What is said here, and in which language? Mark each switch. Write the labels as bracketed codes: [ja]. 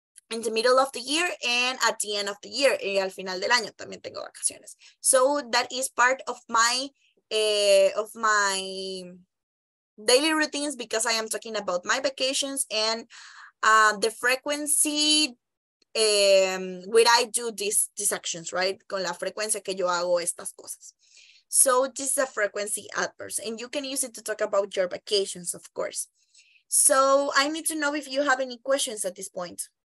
[en] In the middle of the year and at the end of the year. [es] Y al final del año también tengo vacaciones. [en] So, that is part of my daily routines because I am talking about my vacations and the frequency where I do these actions, right? [es] Con la frecuencia que yo hago estas cosas. [en] So this is a frequency adverb, and you can use it to talk about your vacations, of course. So I need to know if you have any questions at this point.